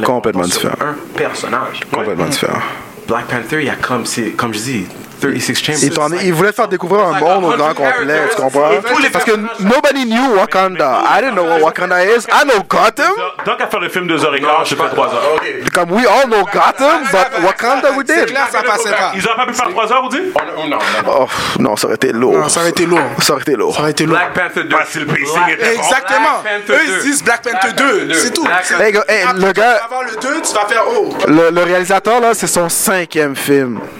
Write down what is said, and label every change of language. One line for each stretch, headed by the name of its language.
French: complètement différent. Un personnage. Complètement différent. Black Panther, il y a comme, c'est, comme je dis, 36 chambers. Il, t'en, il voulait faire découvrir un monde au grand complet, tu comprends? Parce que
English: nobody knew Wakanda. I didn't know what Wakanda is. I know Gotham.
French: Donc, à faire le film 2h15, je fais 3h.
English: Comme we all know Gotham, but Wakanda we did.
French: C'est clair, ça passait pas. Ils auraient pas pu faire 3h, vous dites? Non, ça aurait été lourd. Ça aurait été lourd. Black Panther 2. Facile pacing. Exactement. Eux, ils disent Black Panther 2. C'est tout. Hey, le gars. Tu vas avoir le 2, tu vas faire oh. Le réalisateur, là, c'est son 5e film.